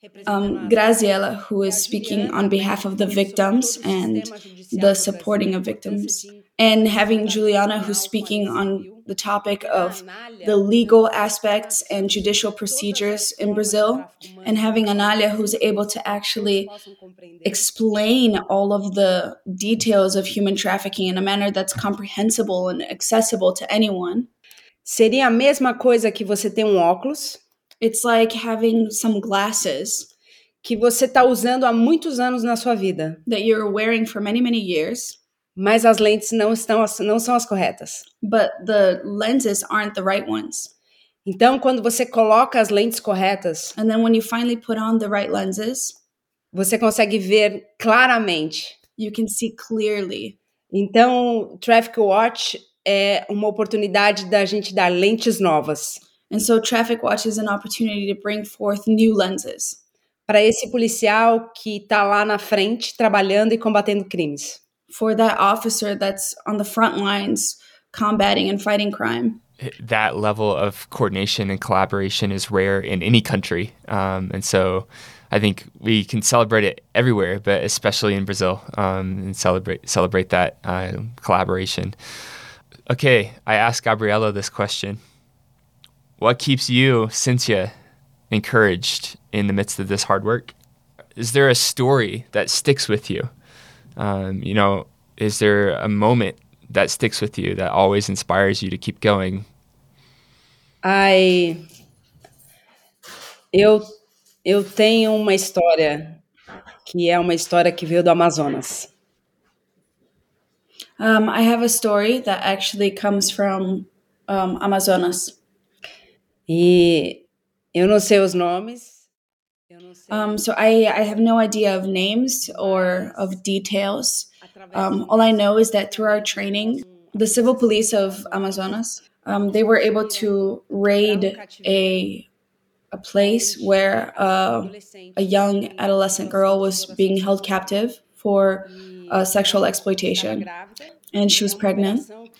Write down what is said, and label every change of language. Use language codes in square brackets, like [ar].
[en] Graziella, who is speaking on behalf of the victims and the supporting of victims, and having Juliana, who's speaking on the topic of the legal aspects and judicial procedures in Brazil, and having Anália, who's able to actually explain all of the details of human trafficking in a manner that's comprehensible and accessible to anyone. [pt] Seria a mesma coisa que você tem óculos. [en] It's like having some glasses [pt] que você está usando há muitos anos na sua vida. [en] That you're wearing for many, many years. [pt] Mas as lentes não são as corretas. [en] But the lenses aren't the right ones. [pt] Então, quando você coloca as lentes corretas, [en] and then when you finally put on the right lenses, [pt] você consegue ver claramente. [en] You can see clearly. [pt] Então, Traffic Watch é uma oportunidade da gente dar lentes novas. [en] And so Traffic Watch is an opportunity to bring forth new lenses. [pt] Para esse policial que está lá na frente, trabalhando e combatendo crimes. [en] For that officer that's on the front lines combating and fighting crime. That level of coordination and collaboration is rare in any country. And so I think we can celebrate it everywhere, but especially in Brazil, and celebrate that collaboration. Okay, I asked Gabriela this question. What keeps you, Cynthia, encouraged in the midst of this hard work? Is there a story that sticks with you? You know, is there a moment that sticks with you that always inspires you to keep going? [pt] Eu tenho uma história que é uma história que veio do Amazonas. [en] I have a story that actually comes from Amazonas. [pt] E eu não sei os nomes. [en] So I have no idea of names or of details. All I know is that through our training, the civil police of Amazonas, they were able to raid a place where a young adolescent girl was being held captive for sexual exploitation. And she was pregnant.